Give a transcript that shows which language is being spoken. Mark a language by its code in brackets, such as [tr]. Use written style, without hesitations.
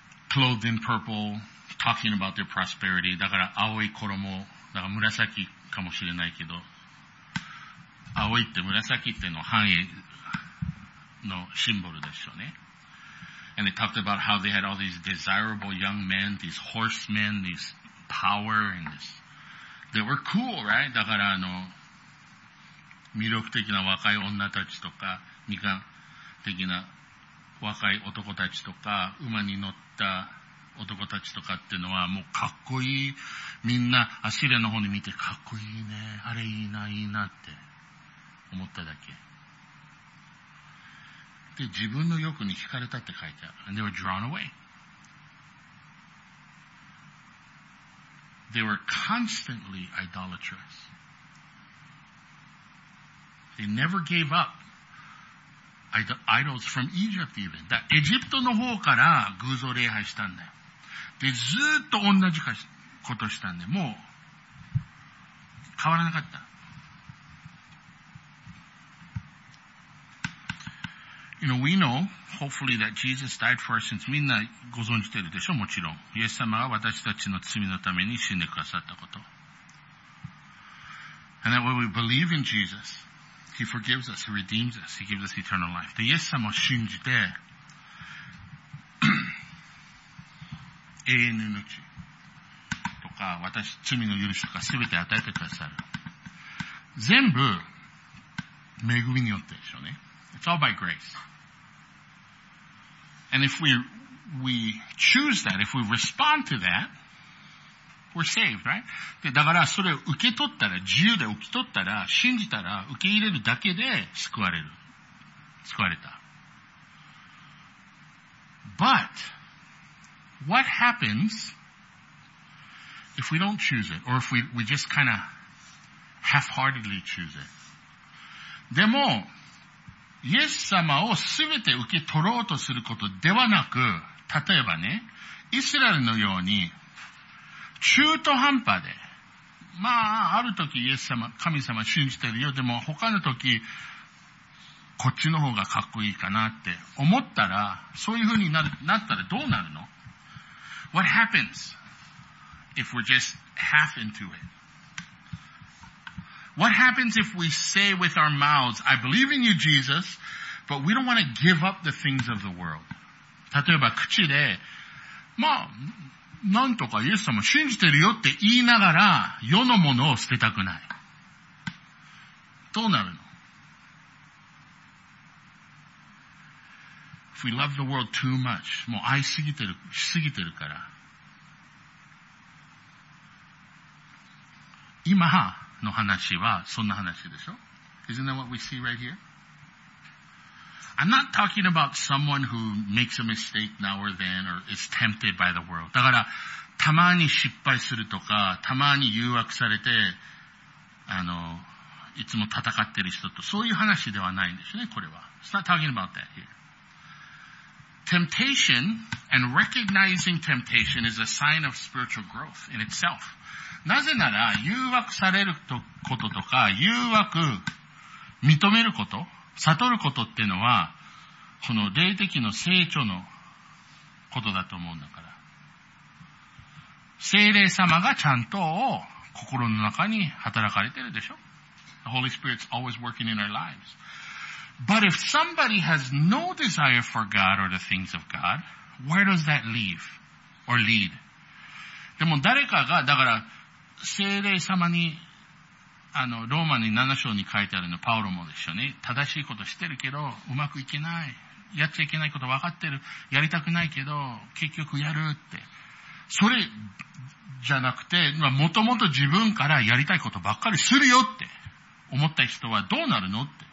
[en] Clothed in purple, talking about their prosperity. [ja] だから青い衣、だから紫かもしれないけど、青いって紫っての繁栄のシンボルでしょうね。 [en] And they talked about how they had all these desirable young men, these horsemen, these power and this. They were cool, right? [ja] だからあの、魅力的な若い女たちとか、みかん的な若い男たちとか、馬に乗った男たちとかっていうのは、もうかっこいい。みんな、アシリアの方に見て、かっこいいね。あれいいな、いいなって思っただけ。で、自分の欲に惹かれたって書いてある。 [en] And they were drawn away. They were constantly idolatrous. They never gave up idols from Egypt even. [ja] だ、エジプトの方から偶像礼拝したんだよ。で、ずっと同じことしたんで、もう変わらなかった。 [en] You know, we know, hopefully, that Jesus died for our sins. [ja] みんなご存じてるでしょ、もちろん。イエス様が私たちの罪のために死んでくださったこと。 [en] And that when we believe in Jesus, He forgives us, He redeems us, He gives us eternal life. [ja] で、イエス様を信じて、永遠の命とか、私、罪の許しとか全て与えてくださる。全部、恵みによってでしょうね。 [en] It's all by grace. And if we choose that, if we respond to that, we're saved, right? [ja] で、だからそれを受け取ったら、自由で受け取ったら、信じたら、受け入れるだけで救われる。救われた。 [en] But, what happens if we don't choose it, or if we just kind of half-heartedly choose it? [ja] でも、イエス様をすべて受け取ろうとすることではなく、例えばね、イスラエルのように、中途半端で、まあ、ある時イエス様、神様信じてるよ、でも他の時、こっちの方がかっこいいかなって思ったら、そういう風になる、なったらどうなるの [en] ?What happens if we're just half into it? What happens if we say with our mouths, I believe in you, Jesus, but we don't want to give up the things of the world? [ja] 例えば口で、まあ、なんとかイエス様信じてるよって言いながら、世のものを捨てたくない。どうなるの? [en] If we love the world too much, [ja] もう愛すぎてる、しすぎてるから。今は、の話はそんな話でしょ? [en] Isn't that what we see right here? I'm not talking about someone who makes a mistake now or then or is tempted by the world. [ja] だから、たまに失敗するとか、たまに誘惑されて、いつも戦ってる人と、そういう話ではないんですね、これは。 [en] It's not talking about that here. Temptation and recognizing temptation is a sign of spiritual growth in itself. [ja] なぜなら、誘惑されることとか、誘惑認めること、悟ることっていうのは、この霊的の成長のことだと思うんだから。聖霊様がちゃんと心の中に働かれてるでしょ [en] ?The Holy Spirit's always working in our lives. But if somebody has no desire for God or the things of God, where does that leave or lead? [ja] でも誰かが、だから、聖霊様に、ローマに7章に書いてあるの、パウロもでしょうね。正しいことしてるけど、うまくいけない。やっちゃいけないこと分かってる。やりたくないけど、結局やるって。それ、じゃなくて、まあ、もともと自分からやりたいことばっかりするよって、思った人はどうなるのって。